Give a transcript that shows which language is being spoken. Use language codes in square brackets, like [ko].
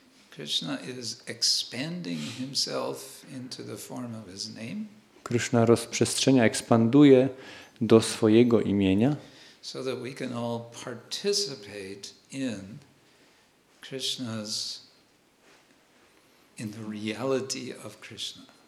[en] Krishna is expanding himself into the form of his name. [pl] Krishna rozprzestrzenia, ekspanduje do swojego imienia. [en] So that we can all participate in Krishna's in the reality of Krishna.